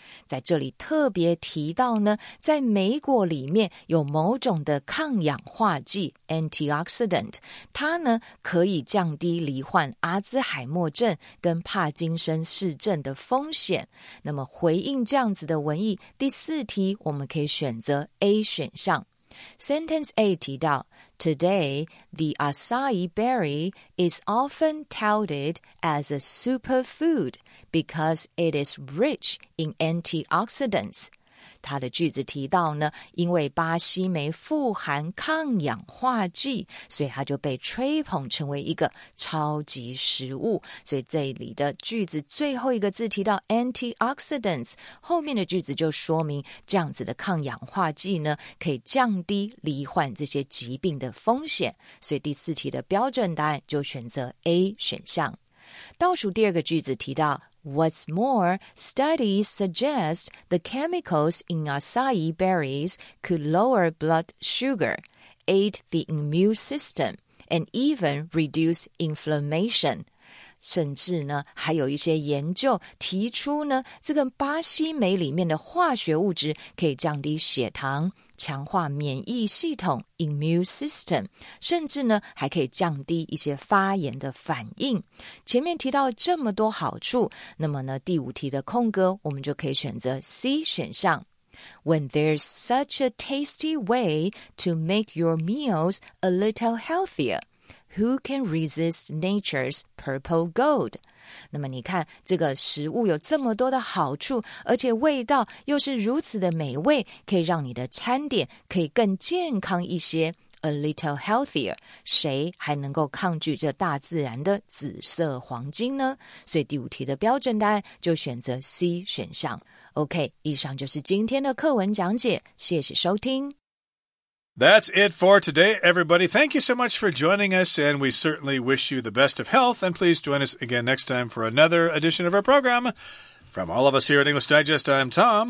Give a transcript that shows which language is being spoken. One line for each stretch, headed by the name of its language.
Chinese: 在这里特别提到呢，在莓果里面有某种的抗氧化剂 antioxidant， 它呢可以降低罹患阿兹海默症跟帕金森氏症的风险。那么回应这样子的文意，第四题我们可以选择 A 选项。
English: Sentence A 提到 Today, the acai berry is often touted as a superfood because it is rich in antioxidants.
Chinese: 他的句子提到呢，因为巴西莓富含抗氧化剂，所以它就被吹捧成为一个超级食物。所以这里的句子最后一个字提到 antioxidants， 后面的句子就说明这样子的抗氧化剂呢，可以降低罹患这些疾病的风险。所以第四题的标准答案就选择 A 选项。倒数第二个句子提到
English: What's more, studies suggest the chemicals in acai berries could lower blood sugar, aid the immune system, and even reduce inflammation.
Chinese: 甚至呢，还有一些研究提出呢，这个巴西莓里面的化学物质可以降低血糖，强化免疫系统 immune system， 甚至呢还可以降低一些发炎的反应。前面提到这么多好处，那么呢第五题的空格我们就可以选择 C 选项。
English: When there's such a tasty way to make your meals a little healthier, who can resist nature's purple gold?
Chinese: 那么你看这个食物有这么多的好处，而且味道又是如此的美味，可以让你的餐点可以更健康一些，
English: a little healthier，
Chinese: 谁还能够抗拒这大自然的紫色黄金呢？所以第五题的标准答案就选择 C 选项。 OK， 以上就是今天的课文讲解，谢谢收听。
English: That's it for today, everybody. Thank you so much for joining us, and we certainly wish you the best of health. And please join us again next time for another edition of our program. From all of us here at English Digest, I'm Tom.